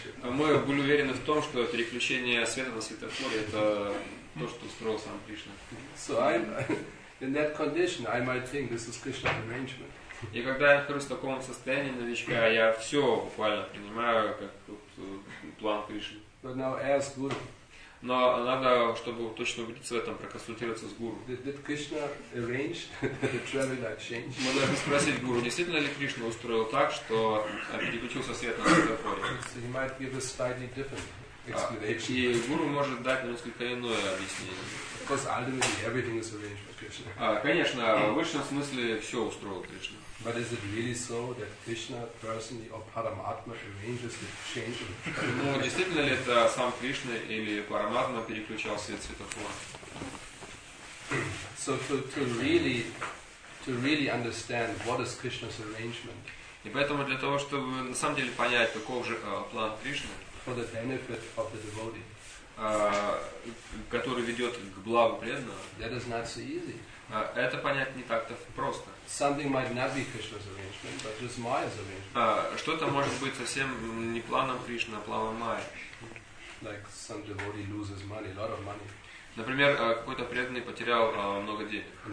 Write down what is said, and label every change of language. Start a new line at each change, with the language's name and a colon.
Russian: Мы были уверены в том, что переключение света на светофоре это то, что устроил сам Кришна.
English: So I'm in that condition, I might think this is Krishna's arrangement.
Russian: И когда я нахожусь в таком состоянии новичка, я все буквально принимаю как план Кришны.
English: But now as Guru.
Russian: Но надо, чтобы точно убедиться в этом, проконсультироваться с гуру.
English: Did Krishna arrange the traffic light change?
Russian: Мы должны спросить гуру, действительно ли Кришна устроил так, что переключился свет на светофоре.
English: So he might give a slightly different explanation.
Russian: И гуру может дать несколько иное объяснение.
English: Because ultimately everything is arranged by Krishna.
Russian: Конечно, в высшем смысле все устроил Кришна.
English: But is it really so that Krishna personally or Paramatma arranges the change?
Russian: Ну, действительно ли это сам Кришна или Параматма переключал свет светофора?
English: So to really understand what is Krishna's arrangement.
Russian: И поэтому для того, чтобы на самом деле понять, каков же план Кришны,
English: for the benefit of the devotee,
Russian: который ведет к благу преданного,
English: that is not so easy.
Russian: Это понять не так-то просто.
English: Something might not be Krishna's arrangement, but just Maya's arrangement.
Russian: Что-то может быть совсем не планом Кришны, а планом Майи.
English: Like some devotee loses money, a lot of money.
Russian: Например, какой-то преданный потерял много денег.